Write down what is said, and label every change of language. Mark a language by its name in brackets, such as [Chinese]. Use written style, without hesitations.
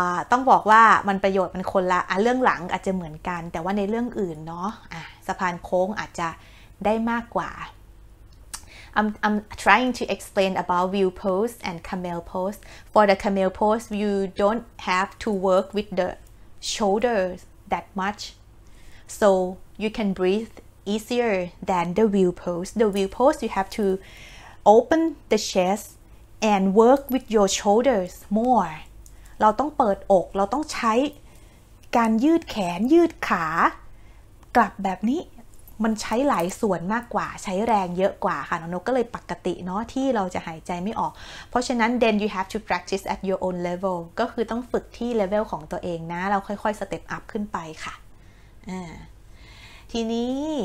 [Thai] ต้องบอกว่ามันประโยชน์มันคนละเรื่องหลังอาจจะเหมือนกันแต่ว่าในเรื่องอื่นเนาะสะพานโค้งอาจจะได้มากกว่า [English] I'm trying to explain about view pose and camel pose for the camel pose you don't have to work with the shoulders that much so you can breatheEasier than the wheel pose. The wheel pose, you have to open the chest and work with your shoulders more. [Thai] เราต้องเปิดอกเราต้องใช้การยืดแขนยืดขากลับแบบนี้มันใช้หลายส่วนมากกว่าใช้แรงเยอะกว่าค่ะน้องนกก็เลยปกติเนาะที่เราจะหายใจไม่ออกเพราะฉะนั้น [English] then you have to practice at your own level [Thai] ก็คือต้องฝึกที่ level ของตัวเองนะเราค่อยๆ step up ขึ้นไปค่ะทีนี้